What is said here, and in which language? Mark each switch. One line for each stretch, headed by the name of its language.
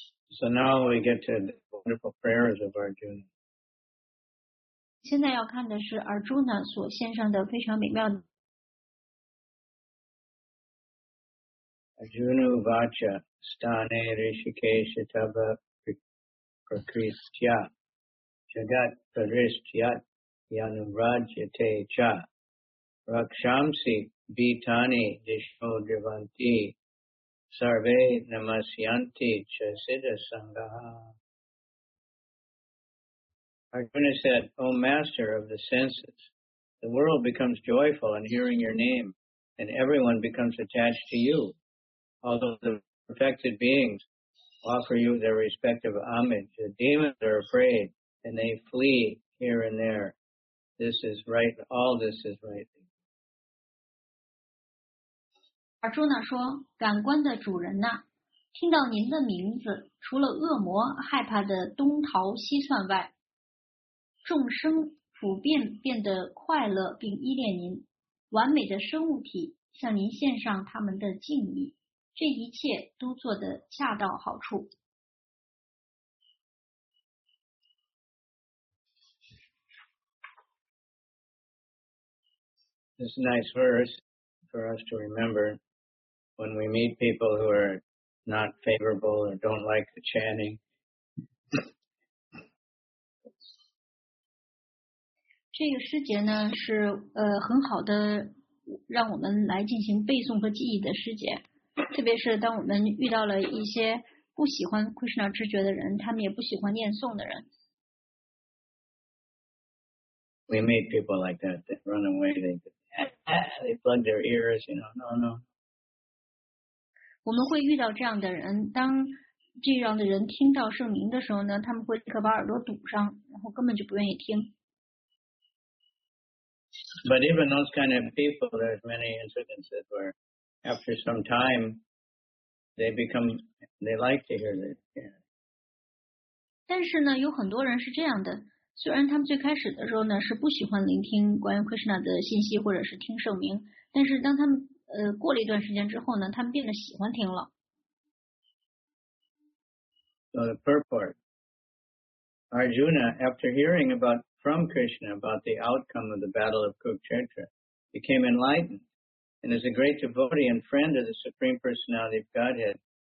English: So now we get to the wonderful prayers of Arjuna.
Chinese: 现在要看的是 Arjuna 所献上的非常美妙的
Sanskrit: Arjuna Vacha Stane Rishikesha Tava Prakristya Jagat Prakristyat Yanurajyate Cha Rakshamsi Bitani Dishodrivanti Sarve Namasyanti Chasida Sangaha。
English: Arjuna said, O master of the senses, the world becomes joyful in hearing your name, and everyone becomes attached to you. Although the perfected beings offer you their respective homage, the demons are afraid, and they flee here and there. This is right, all this is right.
Chinese: 而朱娜说，感官的主人呐，听到您的名字，除了恶魔害怕的东逃西窜外，众生普遍变得快乐并依恋您，完美的生物体向您献上他们的敬意，这一切都做得恰到好处。
English: It's a nice verse for us to remember when we meet people who are not favorable or don't like the chanting.
Chinese: 这个诗节呢是很好的让我们来进行背诵和记忆的诗节，特别是当我们遇到了一些不喜欢 Krishna 知觉的人，他们也不喜欢念诵的人。
English: We meet people like that that run away. They plug their ears, you know. No.
Chinese: 我们会遇到这样的人，当这样的人听到圣名的时候呢，他们会立刻把耳朵堵上，然后根本就不愿意听。
English: But even those kind of people, there's many incidences where, after some time, they like to hear this.
Chinese: 但是呢，有很多人是这样的。虽然他们最开始的时候呢是不喜欢聆听关于 Krishna 的信息或者是听圣名，但是当他们过了一段时间之后呢，他们变得喜欢听了。
English: So the purport, Arjuna, after hearing about from Krishna about the outcome of the battle of Kurukshetra, became enlightened, and is a great devotee and friend of the Supreme Personality of Godhead.